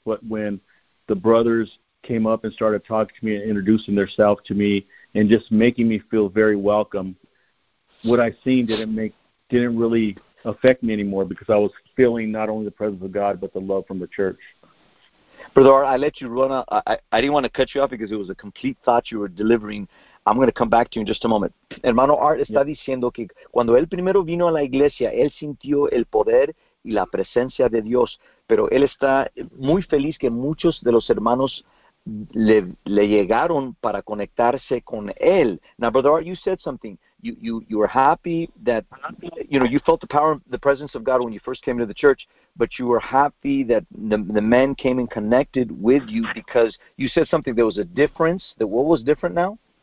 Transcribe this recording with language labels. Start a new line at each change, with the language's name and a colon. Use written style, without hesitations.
English: But when the brothers came up and started talking to me and introducing themselves to me and just making me feel very welcome, what I seen didn't really affect me anymore, because I was feeling not only the presence of God, but the love from the church. Brother Art, I let you run out. I didn't want to cut you off because it was a complete thought you were delivering. I'm going to come back to you in just a moment.
Spanish: Hermano Art está diciendo que cuando él primero vino a la iglesia, él sintió el poder y la presencia de Dios, pero él está muy feliz que muchos de los hermanos le llegaron para conectarse con él.
English: Now, Brother Art, you said something. You were happy that, you know, you felt the power, the presence of God when you first came to the church, but you were happy that the men came and connected with you, because you said something, there was a difference. That what was different now?